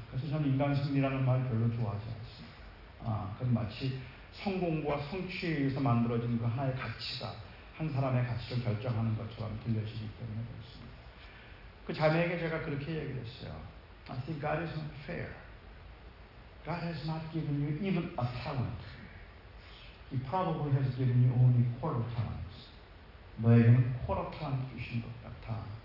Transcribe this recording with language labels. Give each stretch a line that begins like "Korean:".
Korean: 그래서 저는 인간 승리라는 말 별로 좋아하지 않습니다. 그건 마치 성공과 성취에 의해서 만들어진 그 하나의 가치가 한 사람의 가치를 결정하는 것처럼 들려지기 때문에 그렇습니다. 그 자매에게 제가 그렇게 얘기를 했어요.
English: I think God is not fair. God has not given you even a talent. He probably has given you only quarter talents.
Korean: 너에게는 quarter talent 주신 것 같아.